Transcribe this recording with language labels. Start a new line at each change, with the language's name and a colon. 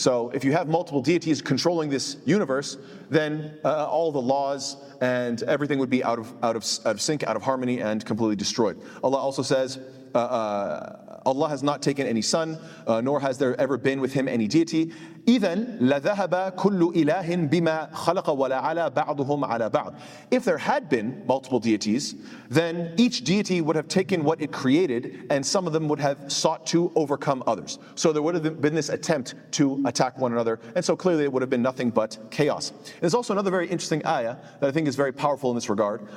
English: So if you have multiple deities controlling this universe, then all the laws and everything would be out of sync, out of harmony, and completely destroyed. Allah also says, Allah has not taken any son, nor has there ever been with him any deity.
Arabic: إذن لذهب كل إله بما خلق ولا على بعضهم على بعض.
English: If there had been multiple deities, then each deity would have taken what it created, and some of them would have sought to overcome others. So there would have been this attempt to attack one another, and so clearly it would have been nothing but chaos. There's also another very interesting ayah that I think is very powerful in this regard.